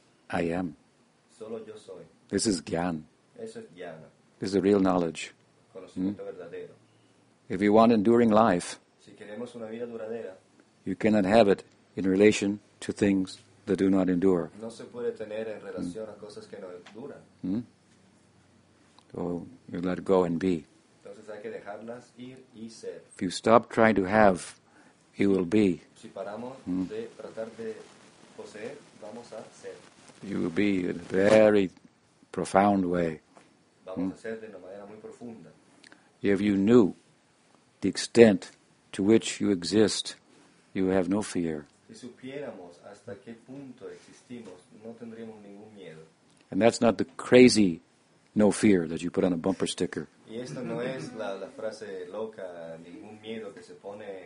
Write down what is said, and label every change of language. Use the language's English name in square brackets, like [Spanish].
[English] I am. [Spanish] Solo yo soy. [English] This is Gyan. [Spanish] Eso es Gyan. [English] This is a real knowledge. [Spanish] Conocimiento verdadero. [English] If you want enduring life, [Spanish] si queremos una vida duradera, [English] you cannot have it in relation to things that do not endure. [Spanish] No se puede tener en relación a cosas que no duran. [English] So you let go and be. [Spanish] Entonces hay que dejarlas ir y ser. [English] If you stop trying to have, you will be. [Spanish] Si paramos de tratar de poseer, vamos a ser. [English] You will be in a very profound way. [Spanish] Vamos a ser de una manera muy profunda. [English] If you knew the extent to which you exist, you have no fear. [Spanish] Si supiéramos hasta qué punto existimos, no tendríamos ningún miedo. [English] And that's not the crazy no fear that you put on a bumper sticker. [Spanish] Y esta no es la frase loca, ningún miedo que se pone